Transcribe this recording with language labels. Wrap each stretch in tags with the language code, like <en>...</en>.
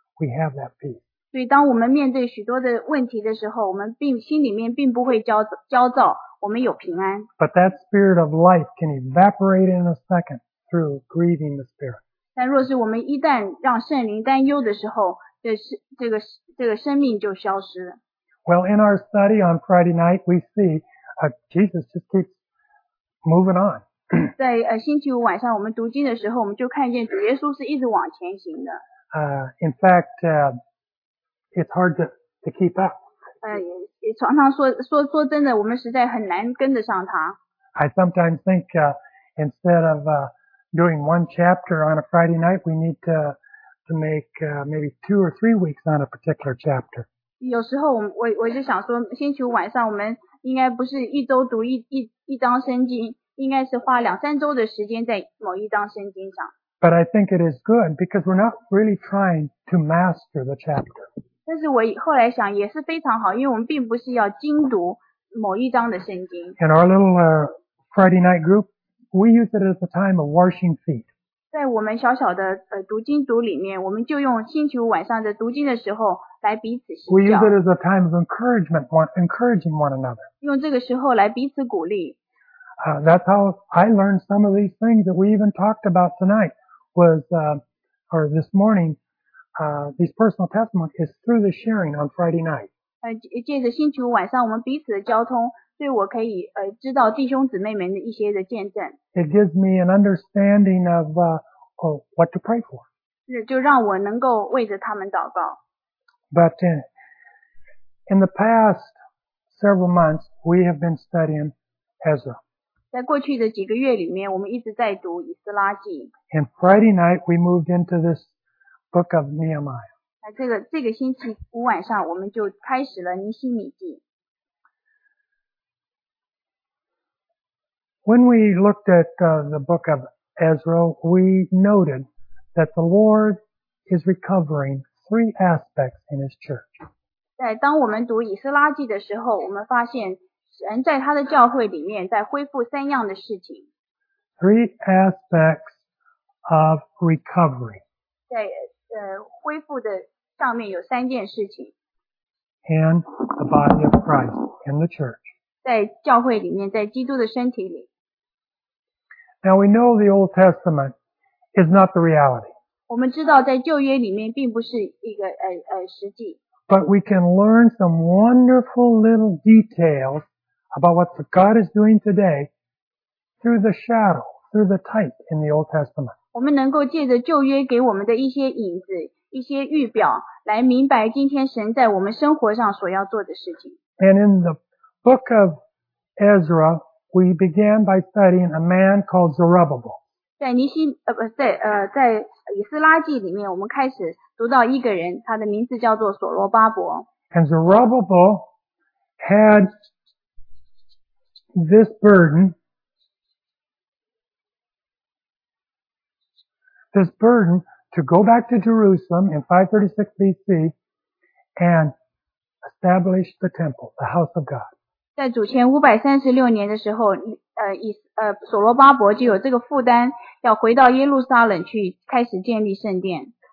<en>We have that peace.</en> <zh>所以当我们面对许多的问题的时候，我们心里面并不会焦躁，我们有平安。</zh> <en>But that spirit of life can evaporate in a second through grieving the spirit.</en> <zh>但若是我们一旦让圣灵担忧的时候，这个生命就消失了。</zh> <en>Well, in our study on Friday night, we see Jesus just keeps moving on.</en> <zh>在星期五晚上我们读经的时候，我们就看见主耶稣是一直往前行的。</zh> <en>In fact, it's hard to keep up.</en> <zh>也常常说真的，我们实在很难跟得上他。</zh> <en>I sometimes think instead of doing one chapter on a Friday night, we need to make maybe 2 or 3 weeks on a particular chapter.</en> <zh>有时候我就想说，星期五晚上我们应该不是一周读一章圣经，应该是花两三周的时间在某一章圣经上。</zh> <en>But I think it is good because we're not really trying to master the chapter.</en> <zh>但是我后来想也是非常好，因为我们并不是要精读某一章的圣经。</zh> <en>In our little Friday night group, we use it as a time of washing feet.</en> <zh>在我们小小的读经组里面，我们就用星期五晚上的读经的时候来彼此洗脚。</zh> <en>We use it as a time of encouraging one another.</en> <zh>用这个时候来彼此鼓励。</zh> <en>That's how I learned some of these things that we even talked about tonight was, or this morning, these personal testimonies is through the sharing on Friday night.</en> <zh>借着星期五晚上我们彼此的交通，所以我可以知道弟兄姊妹们的一些的见证。</zh> <en>It gives me an understanding of, what to pray for.</en> <zh>就让我能够为着他们祷告。</zh> <en>But in the past several months, we have been studying Ezra.</en> <zh>在过去的几个月里面，我们一直在读以斯拉记。</zh> <en>And Friday night we moved into this book of Nehemiah.</en> <zh>那这个星期五晚上我们就开始了尼希米记。</zh> <en>When we looked at the book of Ezra, we noted that the Lord is recovering three aspects in His church.</en> <zh>在当我们读以斯拉记的时候，我们发现。人在他的教会里面在恢复三样的事情。</zh> <en>Three aspects of recovery.</en> <zh>在恢复的上面有三件事情。</zh> <en>And the body of Christ in the church.</en> <zh>在教会里面，在基督的身体里。</zh> <en>Now we know the Old Testament is not the reality.</en> <zh>我们知道在旧约里面并不是一个实际。</zh> <en>But we can learn some wonderful little details about what God is doing today through the shadow, through the type in the Old Testament.</en> <zh>我们能够借着旧约给我们的一些影子、一些预表，来明白今天神在我们生活上所要做的事情。</zh> <en>And in the book of Ezra, we began by studying a man called Zerubbabel.</en> <zh>在以斯拉记里面，我们开始读到一个人，他的名字叫做所罗巴伯。</zh> <en>And Zerubbabel had this burden. This burden to go back to Jerusalem in 536 BC and establish the temple, the house of God.</en> <zh>在主前536年的时候，所罗巴伯就有这个负担，要回到耶路撒冷去开始建立圣殿。</zh>